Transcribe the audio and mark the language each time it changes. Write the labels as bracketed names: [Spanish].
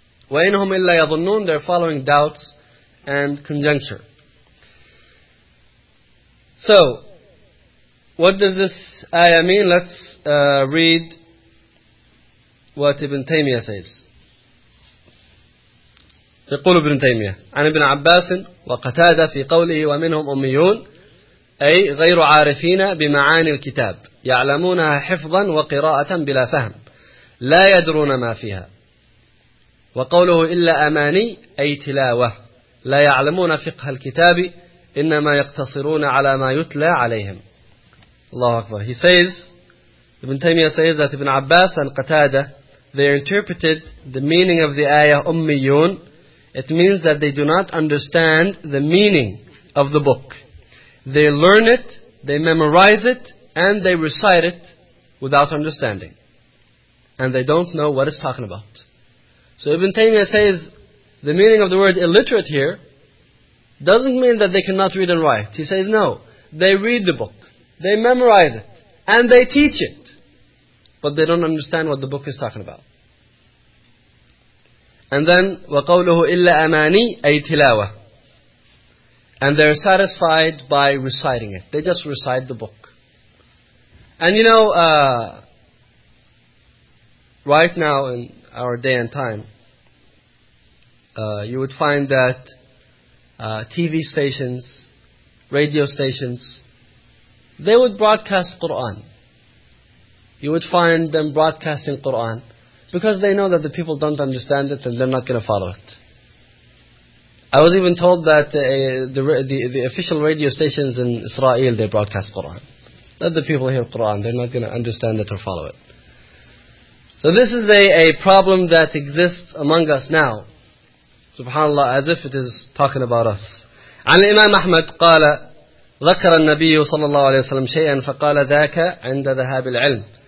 [Arabic] وَإِنْهُمْ إِلَّا يَظُنُّونَ. [English] They're following doubts and conjecture. So, what does this ayah mean? Let's read what Ibn Taymiyyah says. [Arabic] يقول ابن تيمية عن ابن عباس وقتادة في قوله ومنهم أميون أي غير عارفين بمعاني الكتاب يعلمونها حفظا وقراءة بلا فهم لا يدرون ما فيها. وقوله إلا أماني أي تلاوة لا يعلمون فقه الكتاب إنما يقتصرون على ما يتلى عليهم. الله أكبر. [English] He says, Ibn Taymiyyah says that Ibn Abbas and Qatada, they interpreted the meaning of the ayah Ummiyun. It means that they do not understand the meaning of the book. They learn it, they memorize it, and they recite it without understanding. And they don't know what it's talking about. So Ibn Taymiyyah says the meaning of the word illiterate here doesn't mean that they cannot read and write. He says, no, they read the book, they memorize it, and they teach it. But they don't understand what the book is talking about. And then, [Arabic] وَقَوْلُهُ إِلَّا أَمَانِي أَيْ تِلَاوَةً. [English] And they're satisfied by reciting it. They just recite the book. And you know, right now in our day and time, you would find that TV stations, radio stations, they would broadcast Qur'an. You would find them broadcasting Qur'an because they know that the people don't understand it and they're not going to follow it. I was even told that the official radio stations in Israel, they broadcast Qur'an. Let the people hear Qur'an, they're not going to understand it or follow it. So this is a problem that exists among us now. Subhanallah, as if it is talking about us. [Arabic] عن الإمام أحمد قال ذكر النبي صلى الله عليه وسلم شيئا فقال ذاك عند ذهاب العلم.